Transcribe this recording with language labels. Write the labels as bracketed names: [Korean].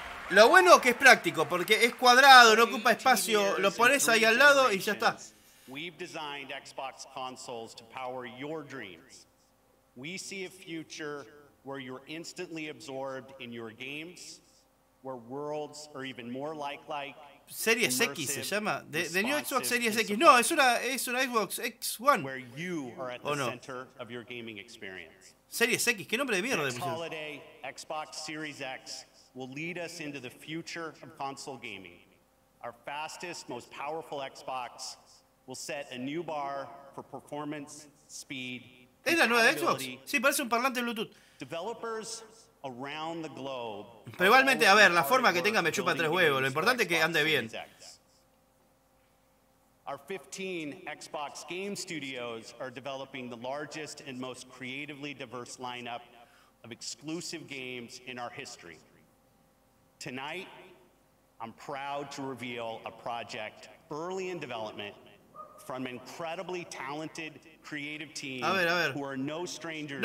[Spanish] Lo bueno que es práctico, porque es cuadrado, no ocupa espacio, lo pones ahí al lado y ya está. [English] We've designed Xbox consoles to power your dreams. We see a future where you're instantly absorbed in your games. Where worlds are even more like [Spanish] Series X se llama [English] the new Xbox Series X. [Spanish] No, es una Xbox X One. [English] Where you are at the center of your gaming experience. [Spanish] Series X, qué nombre de mierda. [English] Next holiday, Xbox Series X will lead us into the future of console gaming. Our fastest, most powerful Xbox will set a new bar for performance, speed. [Spanish] Es la nueva Xbox. Sí, parece un parlante Bluetooth. [English] Developers. Around the globe. [Spanish] Pero igualmente, a ver, la forma que tenga me chupa tres huevos. Lo importante es que ande bien. [English] Our 15 Xbox game studios are developing the largest and most creatively diverse lineup of exclusive games in our history. Tonight, I'm proud to reveal a project early in development from an incredibly talented creative team who are no strangers